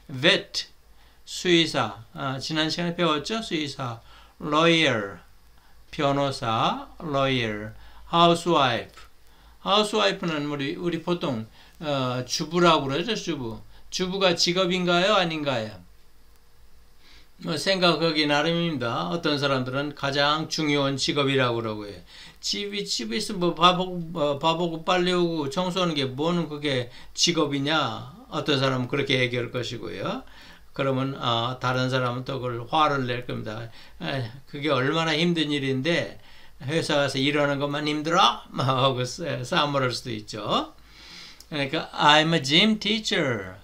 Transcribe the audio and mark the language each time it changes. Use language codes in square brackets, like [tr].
[ko] vet, 수의사, 지난 시간에 배웠죠? 수의사, lawyer, 변호사, lawyer, housewife. housewife는 우리 보통 주부라고 그러죠, 주부. 주부가 직업인가요, 아닌가요? 뭐 생각하기 나름입니다. 어떤 사람들은 가장 중요한 직업이라고 그러고 해요. 집이 있으면 밥 먹고 빨래 오고 청소하는 게 뭐는 그게 직업이냐? 어떤 사람은 그렇게 얘기할 것이고요. 그러면 다른 사람은 또 그걸 화를 낼 겁니다. 그게 얼마나 힘든 일인데 회사 가서 일하는 것만 힘들어? 막 하고 싸움을 할 수도 있죠. 그러니까 [en] I'm a gym teacher.